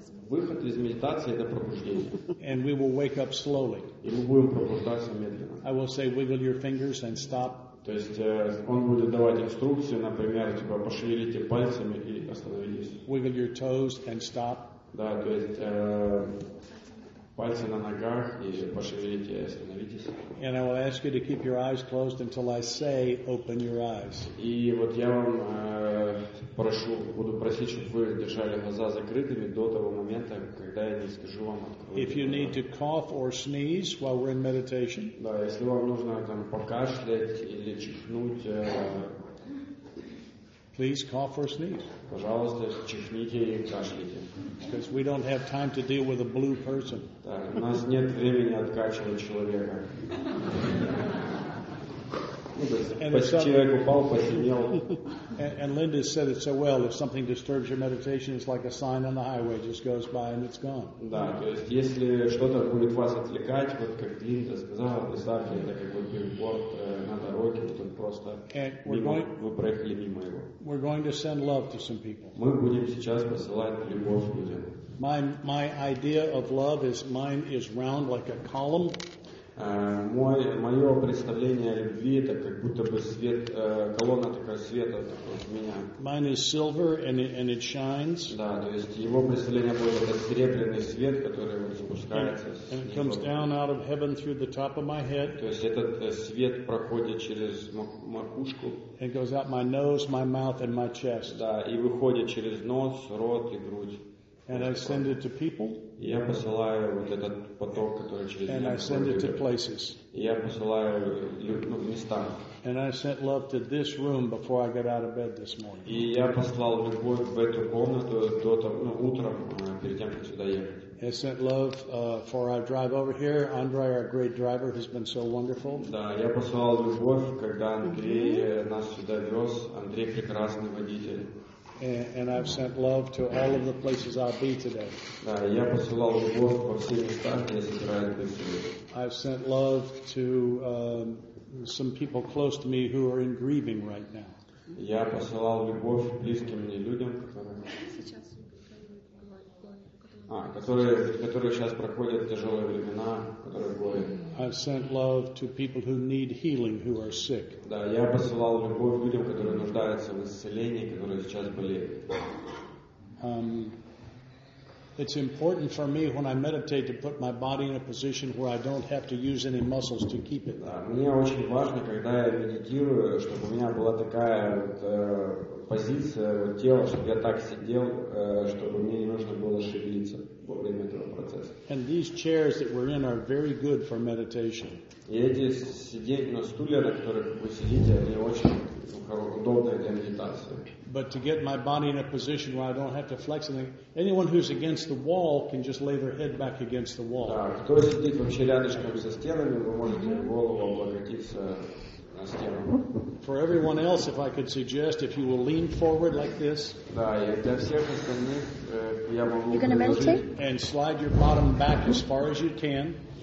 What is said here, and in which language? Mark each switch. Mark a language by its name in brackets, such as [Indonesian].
[Russian] Выход из медитации — это пробуждение. [English] And we will wake up slowly. [Russian] И мы будем пробуждаться медленно. [English] I will say, wiggle your fingers and stop. [Russian] То есть он будет давать инструкции, например, типа пошевелите пальцами и остановитесь. [English] Wiggle your toes and stop. [Russian] Да, то есть пальцы на ногах и пошевелите и остановитесь. [English] And I will ask you to keep your eyes closed until I say open your eyes. [Russian] И вот я вам буду просить, чтобы вы держали глаза закрытыми до того момента, когда я не скажу вам открыть. [English] If you need to cough or sneeze while we're in meditation. [Russian] Да, если вам нужно там покашлять или чихнуть. [English] Please cough or sneeze. [Russian] Пожалуйста, чихните и кашляйте. [English] Because we don't have time to deal with a blue person. [Russian] Да, у нас нет времени откачивать человека. [English] And Linda said it so well. If something disturbs your meditation, it's like a sign on the highway. It just goes by and it's gone. [Russian] Да, то есть если что-то будет вас отвлекать, вот как Линда сказала, представьте, это как бы билборд на дороге, вот он просто мимо, вы проехали мимо его. [English] We're going to send love to some people. [Russian] Мы будем сейчас посылать любовь людям. [English] My idea of love is mine is round like a column. [Russian] Мое представление о любви — это как будто бы свет, колонна такая света такая, у меня. [English] Mine is silver and it shines. [Russian] Да, то есть его представление будет — это серебряный свет, который вот запускается. [English] And it comes down out of heaven through the top of my head. [Russian] То есть этот свет проходит через макушку. [English] And goes out my nose, my mouth and my chest. [Russian] Да, и выходит через нос, рот и грудь. [English] And I send it to people. [Russian] Я посылаю вот этот поток, который через меня. [English] And I send it to places. [Russian] Я посылаю места. [English] And I sent love to this room before I got out of bed this morning. [Russian] И я послал любовь в эту комнату до того, утром, перед тем, как сюда ехать. [English] I sent love for our drive over here. Andre, our great driver, has been so wonderful. [Russian] Да, я посылал любовь, когда Андрей нас сюда вез. Андрей — прекрасный водитель. [English] And I've sent love to all of the places I'll be today. [Russian] Да, я посылал любовь во все места, где собираюсь быть сегодня. [English] I've sent love to some people close to me who are in grieving right now. [Russian] Я посылал любовь близким мне людям, которые сейчас проходят тяжелые времена, которые горят. [English] I've sent love to people who need healing, who are sick. [Russian] Да, я посылал любовь людям, которые нуждаются в исцелении, которые сейчас болеют. [English] It's important for me when I meditate to put my body in a position where I don't have to use any muscles to keep it. [Russian] Да, мне очень важно, когда я медитирую, чтобы у меня была такая вот позиция тела, чтобы я так сидел, чтобы мне не нужно было шевелиться во время этого процесса. [English] And these chairs that we're in are very good for meditation. [Russian] И эти стулья, на которых вы сидите, они очень удобные для медитации. [English] But to get my body in a position where I don't have to flex anything, anyone who's against the wall can just lay their head back against the wall. [Russian] Да, кто сидит вообще рядышком со стенами, вы можете голову облокотиться на стену. [English] for everyone else, if I could suggest, if you will lean forward like this. You're going to meditate? And slide your bottom back as far as you can.